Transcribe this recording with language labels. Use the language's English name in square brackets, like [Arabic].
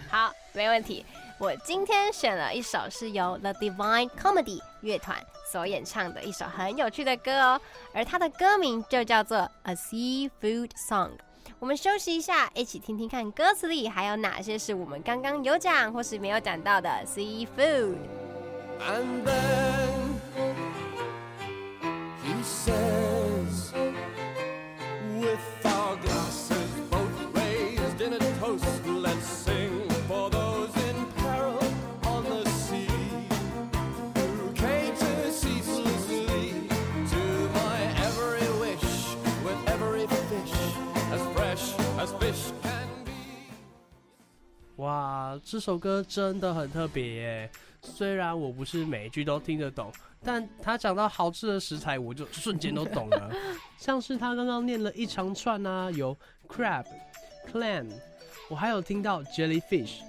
[Chinese] 好，没问题，我今天选了一首是由 The Divine Comedy 乐团所演唱的一首很有趣的歌哦，而它的歌名就叫做 A Seafood Song。我们休息一下，一起听听看歌词里还有哪些是我们刚刚有讲或是没有讲到的 seafood。 [English] And then he says with our glasses both raised in a toast, let's sing for those in peril on the sea who came to ceaselessly to my every wish with every fish as fresh as fish can be。 [Chinese] 哇，这首歌真的很特别耶，虽然我不是每一句都听得懂，但他讲到好吃的食材我就瞬间都懂了。像是他刚刚念了一长串啊，有 crab、 clam， 我还有听到 jellyfish。